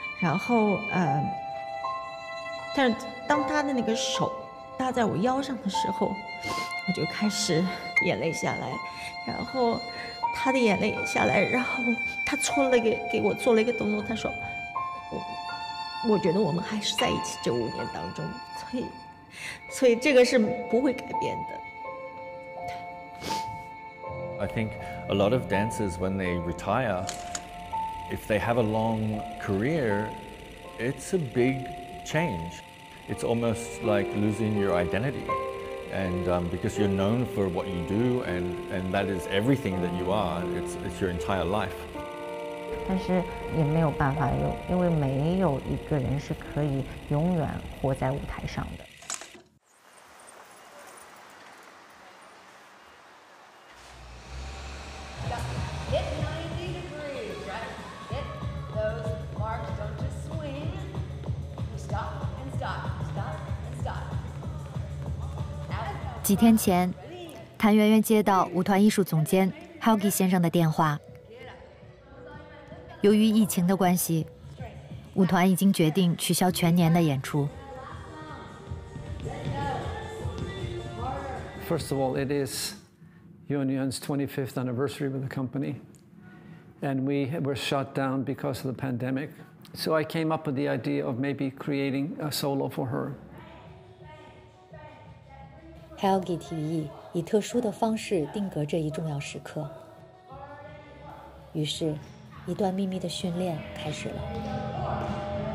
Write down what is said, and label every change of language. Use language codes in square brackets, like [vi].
[zh] 然后但是当他的那个手搭在我腰上的时候，我就开始眼泪下来，然后他的眼泪下来，然后他搓了给我做了一个动作，他说我觉得我们还是在一起这5年当中，所以这个是不会改变的。 [en] I think a lot of dancers, when they retire, if they have a long career, it's a big change. It's almost like losing your identity. And because you're known for what you do, and that is everything that you are, it's your entire life. [zh] 但是也没有办法，因为没有一个人是可以永远活在舞台上的。几天前，谭媛媛接到舞团艺术总监 Helgi 先生的电话。由于疫情的关系，舞团已经决定取消全年的演出。 [en] First of all, it is Union's 25th anniversary with the company, and we were shut down because of the pandemic. So I came up with the idea of maybe creating a solo for her. [zh] Helgi 提议以特殊的方式定格这一重要时刻，于是一段秘密的训练开始了。